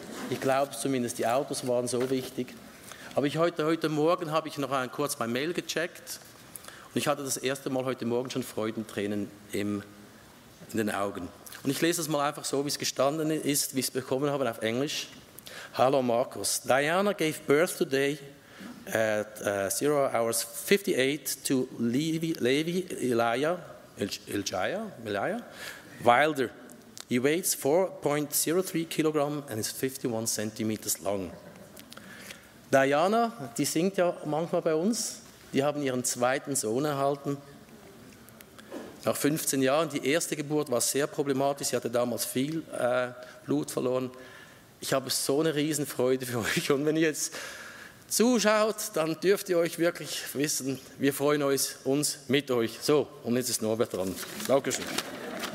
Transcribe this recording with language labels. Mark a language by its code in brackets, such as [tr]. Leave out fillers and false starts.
[de] Ich glaube zumindest, die Autos waren so wichtig. Aber heute Morgen habe ich noch kurz mein Mail gecheckt und ich hatte das erste Mal heute Morgen schon Freudentränen in den Augen. Und ich lese es mal einfach so, wie es gestanden ist, wie ich es bekommen habe auf Englisch. [en] Hallo Markus, Diana gave birth today at 0 hours 58 to Levi Elijah Wilder. He weighs 4.03 kilograms and is 51 centimeters long. [de] Diana, die singt ja manchmal bei uns, die haben ihren zweiten Sohn erhalten. Nach 15 Jahren, die erste Geburt war sehr problematisch, sie hatte damals viel Blut verloren. Ich habe so eine Riesenfreude für euch und wenn ihr jetzt zuschaut, dann dürft ihr euch wirklich wissen, wir freuen uns mit euch. So, und jetzt ist Norbert dran. Dankeschön.